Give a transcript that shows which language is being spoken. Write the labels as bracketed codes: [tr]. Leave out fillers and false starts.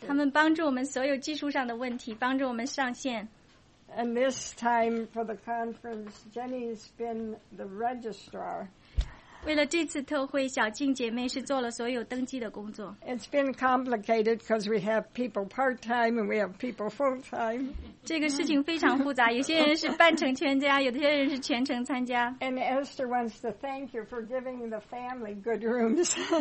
[zh] 他们帮助我们所有技术上的问题，帮助我们上线。 [en] And this time for the conference, Jenny's been the registrar. [zh] 为了这次特会，小静姐妹是做了所有登记的工作。 [en] It's been complicated because we have people part time and we have people full time. [zh] 这个事情非常复杂，有些人是半程参加，有些人是全程参加。 [en] And Esther wants to thank you for giving the family good rooms.